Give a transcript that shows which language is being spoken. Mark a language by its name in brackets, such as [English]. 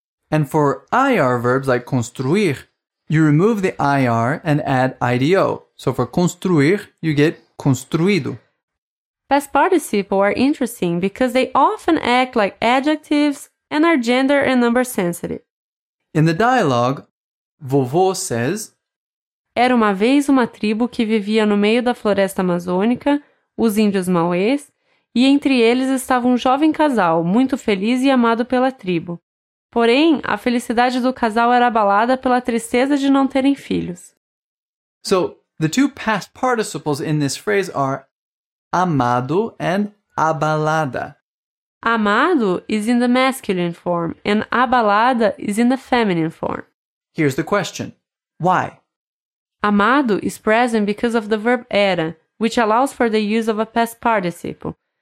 [English] And for IR verbs like construir, you remove the IR and add IDO. So for construir, you get construido. Past participles are interesting because they often act like adjectives and are gender and number sensitive. In the dialogue, vovô says, [Portuguese] Era uma vez uma tribo que vivia no meio da floresta amazônica, os índios Mauês, e entre eles estava um jovem casal, muito feliz e amado pela tribo. Porém, a felicidade do casal era abalada pela tristeza de não terem filhos. [English] So, the two past participles in this phrase are amado and abalada. Amado is in the masculine form, and abalada is in the feminine form. Here's the question. Why? Amado is present because of the verb era, which allows for the use of a past participle.